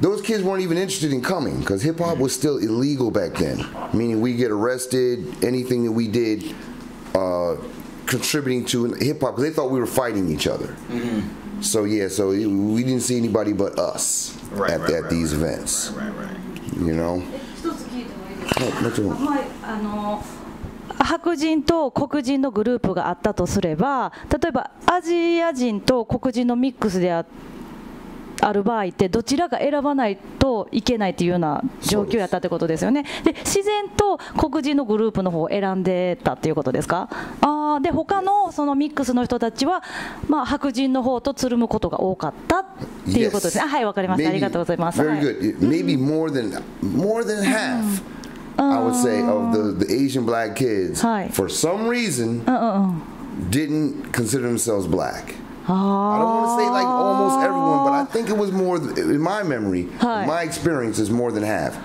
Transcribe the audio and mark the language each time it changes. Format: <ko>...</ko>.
<en>Those kids weren't even interested in coming because hip hop was still illegal back then. Meaning we get arrested, anything that we did contributing to hip hop, they thought we were fighting each other. Mm-hmm. So yeah, so we didn't see anybody but us events. Right. You know?</en> <ja>白人と黒人のグループがあったとすれば、例えばアジア人と黒人のミックスであって、ある場合ってどちらか選ばないといけないというような状況やったってことですよね。で自然と黒人のグループの方を選んでたっていうことですか。で他のそのミックスの人たちは、まあ、白人の方とつるむことが多かったっていうことですね。</ja> <en>Yes.</en> <ja>はい、わかりました。</ja> <en>Maybe,</en> <ja>ありがとうございます。</ja> <en>Very good. Maybe more than half. I would say of the Asian black kids、</en> <ja>はい、</ja> <en>for some reason、didn't consider themselves black. I don't want to say like almost everyone, but I think it was more, in my memory,、</en> <ja>はい、</ja> <en>my experience is more than half.、</en>